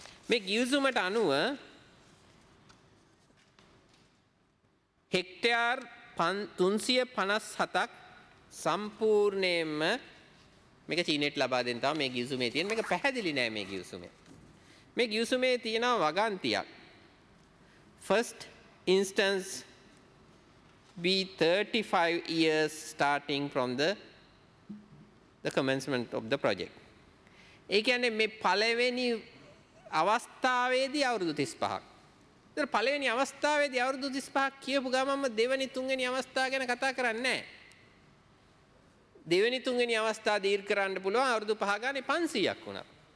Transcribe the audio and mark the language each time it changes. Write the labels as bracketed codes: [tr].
[si] මේ ගිවිසුමට අනුව හෙක්ටයාර් 357ක් සම්පූර්ණයෙන්ම මේක චීනෙට ලබා දෙන්න තමයි මේ ගිවිසුමේ තියෙන. මේක පැහැදිලි නෑ මේ ගිවිසුමේ. මේ ගිවිසුමේ තියෙනවා වගන්තියක්. [en] First instance be 35 years starting from the commencement of the project. [si] ඒ කියන්නේ මේ පළවෙනි අවස්ථාවේදී අවුරුදු 35ක්. ඒත් පළවෙනි අවස්ථාවේදී අවුරුදු 35ක් කියපු ගමන්ම දෙවෙනි තුන්වෙනි අවස්ථාව ගැන කතා කරන්නේ නැහැ. දෙවෙනි තුන්වෙනි අවස්ථාව දීර්ඝ කරන්න පුළුවන් අවුරුදු 5 ගානේ 500ක් වුණා.